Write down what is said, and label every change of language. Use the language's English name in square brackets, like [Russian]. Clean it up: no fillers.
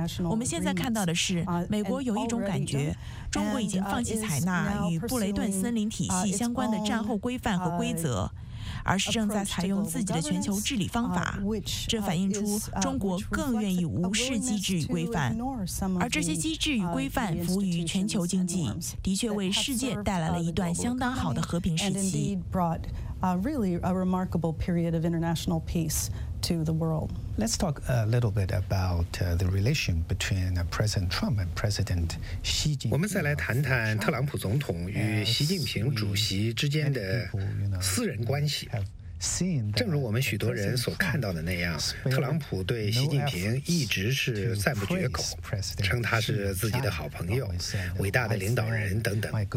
[Chinese] 我们现在看到的是，美国有一种感觉，中国已经放弃采纳与布雷顿森林体系相关的战后规范和规则，而是正在采用自己的全球治理方法，这反映出中国更愿意无视机制与规范，而这些机制与规范服务于全球经济，的确为世界带来了一段相当好的和平时期。 [English] Really a remarkable period of international peace to the world. Let's talk a little bit about the relation between President Trump and President Xi Jinping. [Chinese] 我们再来谈谈特朗普总统与习近平主席之间的私人关系。正如我们许多人所看到的那样，特朗普对习近平一直是赞不绝口，称他是自己的好朋友、伟大的领导人等等。